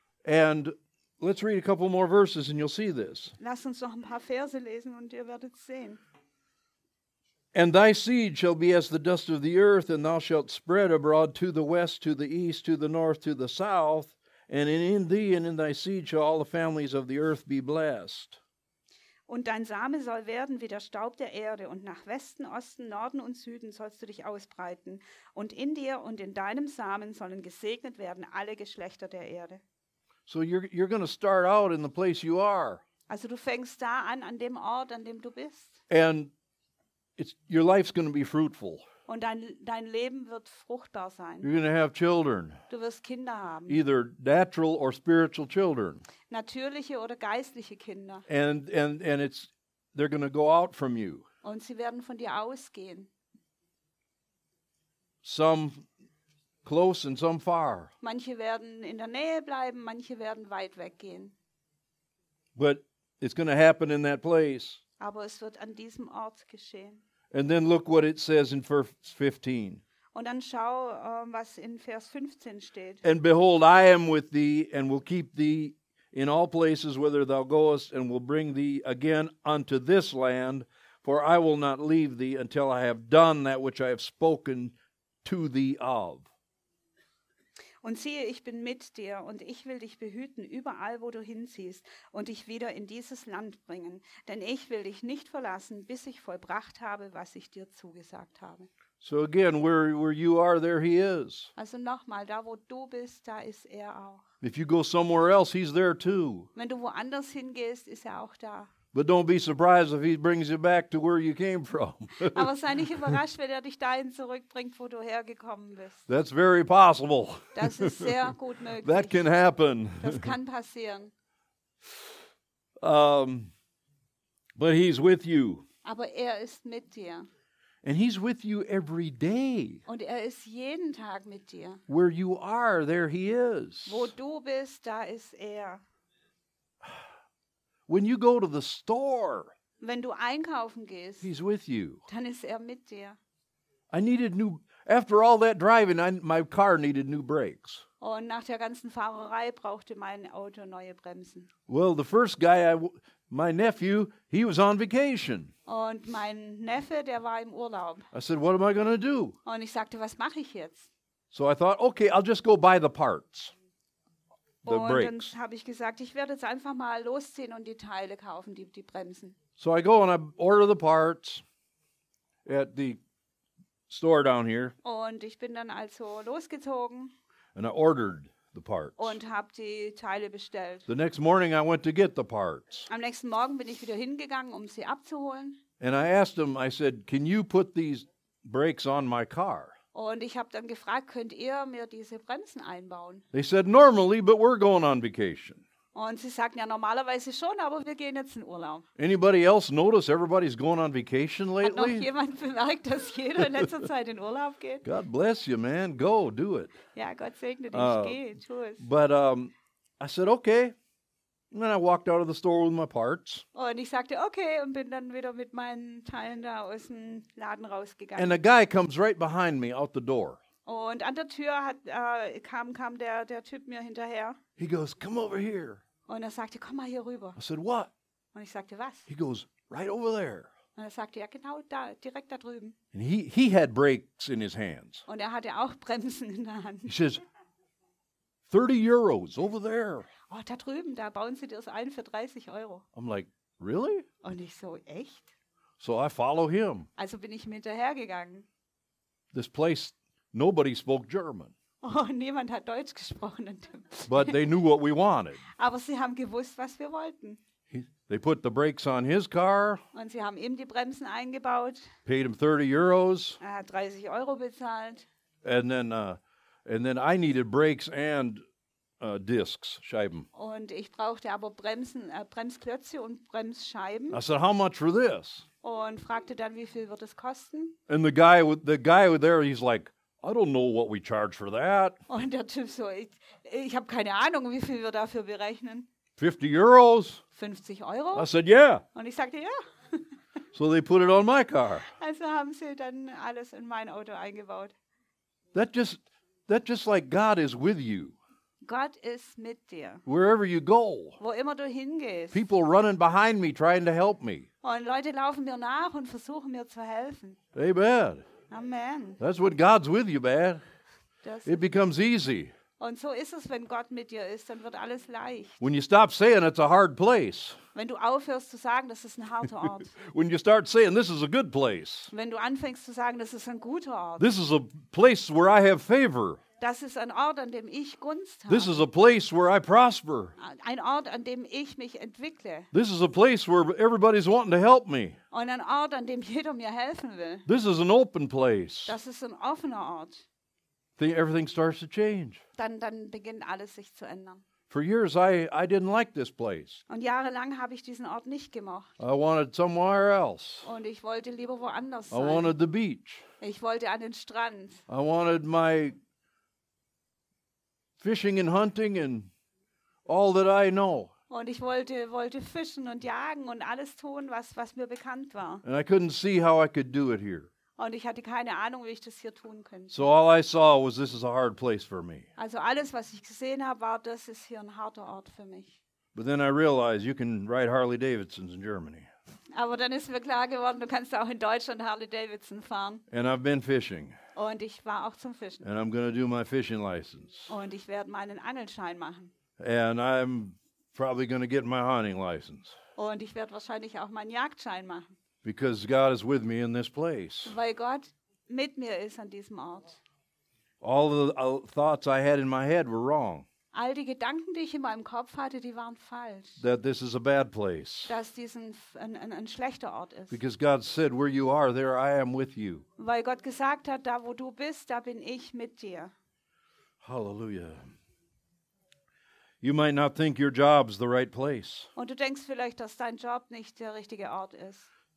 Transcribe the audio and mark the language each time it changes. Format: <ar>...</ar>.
<en>And let's read a couple more verses and you'll see this.</en> <de>Lass uns noch ein paar Verse lesen und ihr werdet sehen.</de> <en>And thy seed shall be as the dust of the earth, and thou shalt spread abroad to the west, to the east, to the north, to the south. And in thee and in thy seed shall all the families of the earth be blessed.</en> <de>Und dein Same soll werden wie der Staub der Erde, und nach Westen, Osten, Norden und Süden sollst du dich ausbreiten. Und in dir und in deinem Samen sollen gesegnet werden alle Geschlechter der Erde.</de> <en>So you're going to start out in the place you are.</en> <de>Also du fängst da an dem Ort, an dem du bist.</de> <en>And your life's going to be fruitful.</en> <de>Und dein Leben wird fruchtbar sein.</de> <en>You're going to have children.</en> <de>Du wirst Kinder haben.</de> <en>Either natural or spiritual children.</en> <de>Natürliche oder geistliche Kinder.</de> <en>And it's they're going to go out from you.</en> <de>Und sie werden von dir ausgehen.</de> <en>Some close and some far.</en> <de>Manche werden in der Nähe bleiben, manche werden weit weggehen.</de> <en>But it's going to happen in that place.</en> <de>Aber es wird an diesem Ort geschehen.</de> <en>And then look what it says in verse 15.</en> <de>Und dann schau, was in Vers 15 steht.</de> <en>And behold, I am with thee and will keep thee in all places whither thou goest, and will bring thee again unto this land, for I will not leave thee until I have done that which I have spoken to thee of.</en> <de>Und siehe, ich bin mit dir, und ich will dich behüten überall, wo du hinziehst, und dich wieder in dieses Land bringen. Denn ich will dich nicht verlassen, bis ich vollbracht habe, was ich dir zugesagt habe.</de> <en>So again, where you are, there he is.</en> <de>Also nochmal, da wo du bist, da ist er auch.</de> <en>If you go somewhere else, he's there too.</en> <de>Wenn du woanders hingehst, ist er auch da.</de> <en>But don't be surprised if he brings you back to where you came from.</en> <de>Aber sei nicht überrascht, wenn dich dahin zurückbringt, wo du hergekommen bist.</de> <en>That's very possible.</en> <de>Das ist sehr gut möglich.</de> <en>That can happen.</en> <de>Das kann passieren.</de> <en>But he's with you.</en> <de>Aber er ist mit dir.</de> <en>And he's with you every day.</en> <de>Und er ist jeden Tag mit dir.</de> <en>Where you are, there he is.</en> <de>Wo du bist, da ist er.</de> <en>When you go to the store,</en> <de>wenn du einkaufen gehst,</de> <en>he's with you.</en> <de>Dann ist mit dir.</de> <en>I needed new, after all that driving, my car needed new brakes.</en> <de>Und nach der ganzen Fahrerei brauchte mein Auto neue Bremsen.</de> <en>Well, the first guy, my nephew, he was on vacation.</en> <de>Und mein Neffe, der war im Urlaub.</de> <en>I said, what am I going to do?</en> <de>Und ich sagte, was mache ich jetzt?</de> <en>So I thought, okay, I'll just go buy the parts.</en> <de>Und dann habe ich gesagt, ich werde jetzt einfach mal losziehen und die Teile kaufen, die Bremsen.</de> <en>So I go and I order the parts at the store down here.</en> <de>Und ich bin dann also losgezogen.</de> <en>And I ordered the parts.</en> <de>Und habe die Teile bestellt.</de> <en>The next morning I went to get the parts.</en> <de>Am nächsten Morgen bin ich wieder hingegangen, um sie abzuholen.</de> <en>And I asked them, I said, can you put these brakes on my car?</en> <de>Und ich habe dann gefragt, könnt ihr mir diese Bremsen einbauen?</de> <en>They said, normally, but we're going on vacation.</en> <de>Und sie sagten, ja, normalerweise schon, aber wir gehen jetzt in Urlaub.</de> <en>Anybody else notice everybody's going on vacation lately?</en> <de>Hat noch jemand bemerkt, dass jeder in letzter Zeit in Urlaub geht?</de> <en>God bless you, man. Go, do it.</en> <de>Ja, Gott segne dich. Geh, tu es.</de> <en>But I said, okay. And then I walked out of the store with my parts.</en> <de>Und ich sagte, okay, und bin dann wieder mit meinen Teilen da aus dem Laden rausgegangen.</de> <en>And a guy comes right behind me out the door.</en> <de>Und an der Tür kam der Typ mir hinterher.</de> <en>He goes, come over here.</en> <de>Und sagte, komm mal hier rüber.</de> <en>I said, what?</en> <de>Und ich sagte, was?</de> <en>He goes, right over there.</en> <de>Und sagte, ja, genau da, direkt da drüben.</de> <en>And he had brakes in his hands.</en> <de>Und hatte auch Bremsen in der Hand.</de> <en>He says, 30 euros over there.</en> <de>Oh, da drüben, da bauen sie das ein für 30 Euro.</de> <en>I'm like, really?</en> <de>Und ich so, echt?</de> <en>So I follow him.</en> <de>Also bin ich ihm hinterhergegangen.</de> <en>This place, nobody spoke German.</en> <de>Oh, niemand hat Deutsch gesprochen.</de> <en>But they knew what we wanted.</en> <de>Aber sie haben gewusst, was wir wollten.</de> <en>They put the brakes on his car.</en> <de>Und sie haben ihm die Bremsen eingebaut.</de> <en>Paid him 30 euros.</en> <de>Er hat 30 Euro bezahlt.</de> <en>And then I needed brakes and discs, Scheiben.</en> <de>Und ich brauchte aber Bremsen, Bremsklötze und Bremsscheiben.</de> <en>I said, how much for this?</en> <de>Und fragte dann, wie viel wird es kosten?</de> <en>And the guy there, he's like, I don't know what we charge for that.</en> <de>Und der Typ so, ich habe keine Ahnung, wie viel wir dafür berechnen.</de> <en>50 Euros.</en> <de>50 Euro?</de> <en>I said, yeah.</en> <de>Und ich sagte, ja.</de> <en>So they put it on my car.</en> <de>Also haben sie dann alles in mein Auto eingebaut.</de> <en>That just like God is with you.</en> <de>Gott ist mit dir.</de> <en>Wherever you go.</en> <de>Wo immer du hingehst.</de> <en>People running behind me trying to help me.</en> <de>Und Leute laufen mir nach und versuchen mir zu helfen. Amen. Amen.</de> <en>That's what God's with you, man. It becomes easy.</en> <de>Und so ist es, wenn Gott mit dir ist, dann wird alles leicht.</de> <en>When you stop saying it's a hard place.</en> <de>Wenn du aufhörst zu sagen, das ist ein harter Ort.</de> <en>When you start saying this is a good place.</en> <de>Wenn du anfängst zu sagen, das ist ein guter Ort.</de> <en>This is a place where I have favor.</en> <de>Das ist ein Ort, an dem ich Gunst habe.</de> <en>This is a place where I prosper.</en> <de>Ein Ort, an dem ich mich entwickle.</de> <en>This is a place where everybody's wanting to help me.</en> <de>Und ein Ort, an dem jeder mir helfen will.</de> <en>This is an open place.</en> <de>Das ist ein offener Ort.</de> <en>Everything starts to change.</en> <de>Dann beginnt alles sich zu ändern.</de> <en>For years I didn't like this place.</en> <de>Und jahrelang habe ich diesen Ort nicht gemocht.</de> <en>I wanted somewhere else.</en> <de>Und ich wollte lieber woanders sein.</de> <en>I wanted the beach.</en> <de>Ich wollte an den Strand.</de> <en>I wanted my fishing and hunting and all that I know.</en> <de>Und ich wollte fischen und jagen und alles tun, was mir bekannt war.</de> <en>And I couldn't see how I could do it here.</en> <de>Und ich hatte keine Ahnung, wie ich das hier tun könnte.</de> <en>So all I saw was, this is a hard place for me.</en> <de>Also alles, was ich gesehen habe, war, das ist hier ein harter Ort für mich.</de> <en>But then I realized you can ride Harley Davidsons in Germany.</en> <de>Aber dann ist mir klar geworden, du kannst auch in Deutschland Harley Davidson fahren.</de> <en>And I've been fishing.</en> <de>Und ich war auch zum Fischen.</de> <en>And I'm going to do my fishing license.</en> <de>Und ich werde meinen Angelschein machen.</de> <en>And I'm probably going to get my hunting license.</en> <de>Und ich werde wahrscheinlich auch meinen Jagdschein machen.</de> <en>Because God is with me in this place.</en> <de>Weil Gott mit mir ist an diesem Ort.</de> <en>All the thoughts I had in my head were wrong.</en> <de>All die Gedanken, die ich in meinem Kopf hatte, die waren falsch.</de> <en>That this is a bad place.</en> <de>Dass dies ein schlechter Ort ist.</de> <en>Because God said, where you are, there I am with you.</en> <de>Weil Gott gesagt hat, da wo du bist, da bin ich mit dir. Hallelujah.</de> <en>You might not think your job's the right place.</en> <de>Und du denkst vielleicht, dass dein Job nicht der richtige Ort ist.</de>